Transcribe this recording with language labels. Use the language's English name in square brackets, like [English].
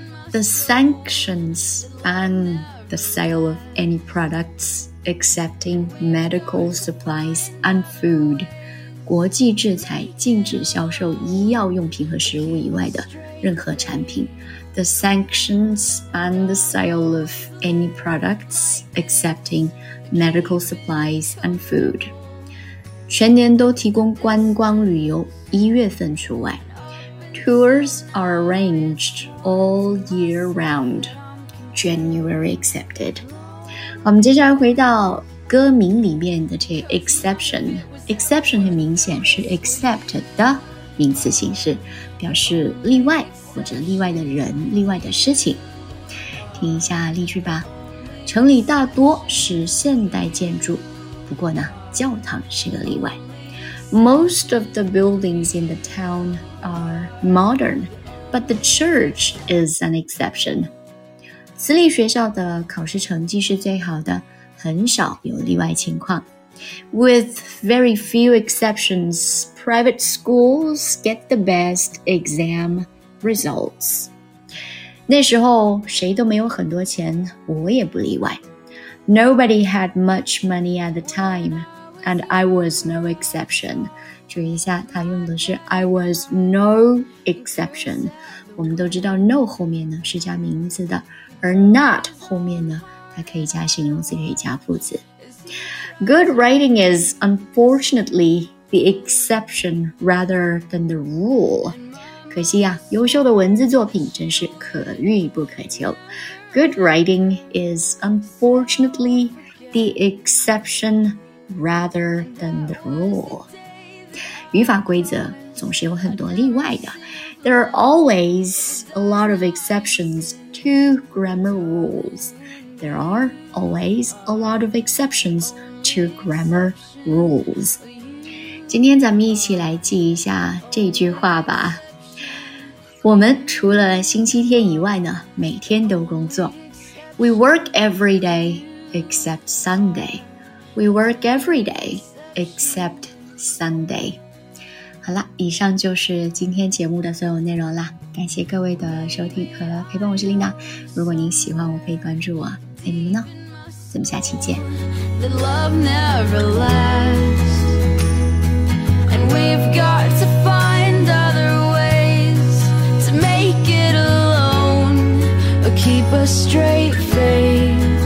[English] The sanctions ban the sale of any products excepting medical supplies and food. [Chinese] 国际制裁禁止销售医药用品和食物以外的任何产品。 [English] The sanctions ban the sale of any products excepting medical supplies and food. [Chinese] 全年都提供观光旅游，一月份除外。 [English] Tours are arranged all year round, January excepted. [Chinese] 我们接下来回到歌名里面的这 exception. Exception 很明显是 except 的名词形式，表示例外或者例外的人、例外的事情。听一下例句吧。城里大多是现代建筑，不过呢，教堂是个例外。 [English] Most of the buildings in the town are modern, but the church is an exception. [Chinese] 私立学校的考试成绩是最好的，很少有例外情况。 [English] With very few exceptions, private schools get the best exam results. [Chinese] 那时候谁都没有很多钱，我也不例外。 [English] Nobody had much money at the time. And I was no exception. [Chinese] 注意一下，他用的是 [English] I was no exception. [Chinese] 我们都知道 no 后面呢是加名词的，而 not 后面呢它可以加形容词，可以加副词。 [English] Good writing is unfortunately the exception rather than the rule. [Chinese] 可惜啊，优秀的文字作品真是可遇不可求。 [English] Good writing is unfortunately the exception. Rather than the rule. [Chinese] 语法规则总是有很多例外的。 [English] There are always a lot of exceptions to grammar rules. There are always a lot of exceptions to grammar rules. [Chinese] 今天咱们一起来记一下这句话吧。我们除了星期天以外呢，每天都工作。 [English] We work every day except Sunday. We work every day except Sunday. [Chinese] 好了，以上就是今天节目的所有内容了。感谢各位的收听和陪伴，我是琳达。如果您喜欢，我可以关注我。爱你们呢，咱们下期见。 [English] The love never lasts, and we've got to find other ways to make it alone or keep a straight face.